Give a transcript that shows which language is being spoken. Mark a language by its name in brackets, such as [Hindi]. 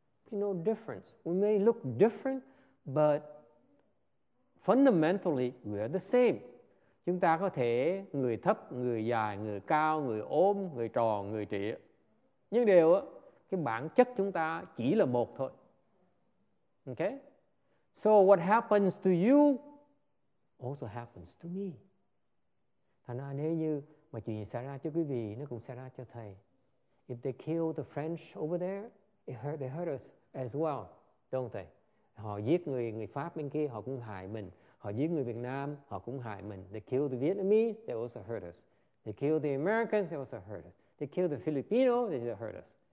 [English] There's no difference. We may look different, but fundamentally we are the same. [Vietnamese] Chúng ta có thể người thấp, người dài, người cao, người ốm, người tròn, người trĩa. Nhưng đều cái bản chất chúng ta chỉ là một thôi. [English] Okay? So what happens to you also happens to me. [Vietnamese] Thành ra nếu như mà chuyện xảy ra cho quý vị, nó cũng xảy ra cho thầy. [English] If they kill the French over there, they hurt us as well, don't they? [Vietnamese] Họ giết người Pháp bên kia, họ cũng hại mình. Họ giết người Việt Nam, họ cũng hại mình. [English] They kill the Vietnamese, they also hurt us. They kill the Americans, they also hurt us. They kill the Filipino, they also hurt us.